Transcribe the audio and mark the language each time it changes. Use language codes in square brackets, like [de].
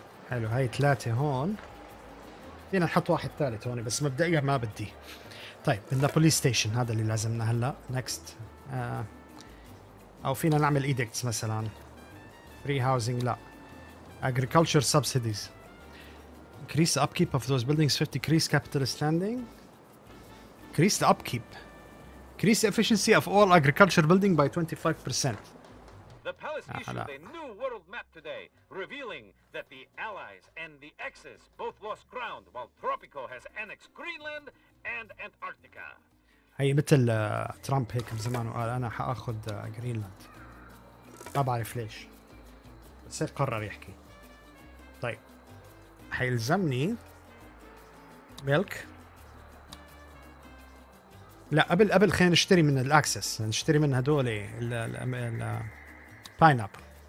[ar] حلو. هاي ثلاثة هون. فينا نحط واحد ثالث هون بس مبدئيا ما بدي. طيب بدنا بوليس ستيشن. هذا اللي لازمنا هلا. نكست. أو فينا نعمل إيديكتس مثلاً. [en] Free housing [ar] لا. [en] Agriculture subsidies. Increase the upkeep of those buildings 50. Increase capital standing. Increase the upkeep. Increase the efficiency of all agriculture building by 25%. The palace issued a new world map today, revealing that the Allies and the Axis both lost ground, while Tropico has annexed Greenland and Antarctica. [ar] هي مثل ترامب هيك بزمان وقال أنا حأخذ غرينلاند. ما بعرف ليش. بس قرر يحكي. طيب. حيلزمني ميلك. لا قبل خلينا نشتري من الأكسس. نشتري من هدول ال باينابل.